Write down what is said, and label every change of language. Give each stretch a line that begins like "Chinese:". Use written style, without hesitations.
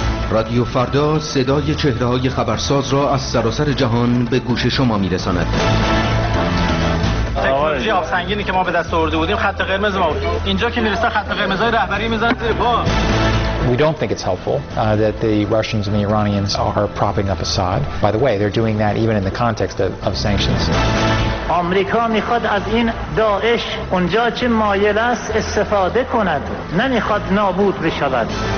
Persian: رادیو فردا صدای چهره های خبرساز را از سراسر جهان به گوش شما می رساند. تکنولوژی آب سنگینی که ما به دست آورده بودیم خط قرمز ما بود. اینجا که می رسه خط قرمزهای رهبری می زنند زیر پا.
English: We don't think it's helpful that the Russians and the Iranians are propping up Assad. By the way, they're doing that even in the context of sanctions.
Persian: آمریکا میخواد از این داعش اونجا چه مایل است استفاده کند. نمیخواد نابود بشود.